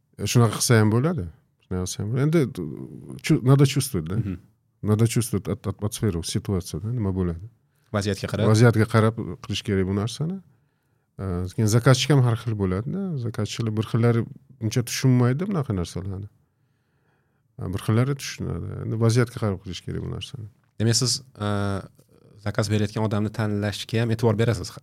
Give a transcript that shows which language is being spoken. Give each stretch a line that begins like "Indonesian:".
Uzbek: Shunaqa qilsa ham bo'ladi. Shunaqa qilsa ham bo'ladi. Endi
Russian: надо чувствовать, да? Надо чувствовать атмосферу, ситуацию, да,
Uzbek: nima bo'ladi. Vaziyatga qarab. Vaziyatga qarab qilish kerak bu narsani. Lekin zakazchi ham har xil bo'ladi-da. Zakazchilar bir xillari uncha tushunmaydi bunaqa narsalarni. Bir xillari tushunadi. Endi vaziyatga qarab qilish kerak bu narsani. Demak, siz zakaz berayotgan odamni tanlashga ham e'tibor berasiz.